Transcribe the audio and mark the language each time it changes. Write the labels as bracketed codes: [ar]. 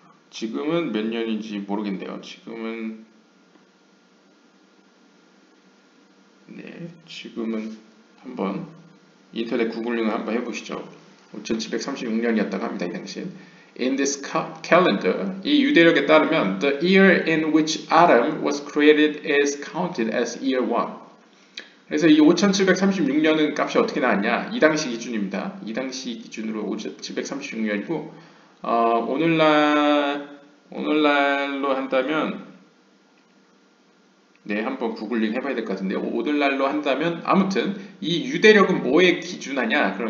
[ko] 지금은 몇 년인지 모르겠네요. 지금은 네, 지금은 한번 인터넷 구글링을 한번 해보시죠. 5736년이었다고 합니다, 이 당시엔. [en] In this calendar, [ko] 이 유대력에 따르면 [en] the year in which Adam was created is counted as year one. [ko] 그래서 이 5736년은 값이 어떻게 나왔냐? 이 당시 기준입니다. 이 당시 기준으로 5736년이고 오늘날로 한다면 네, 한번 구글링 해봐야 될것 같은데 오늘날로 한다면 아무튼 이 유대력은 뭐에 기준하냐?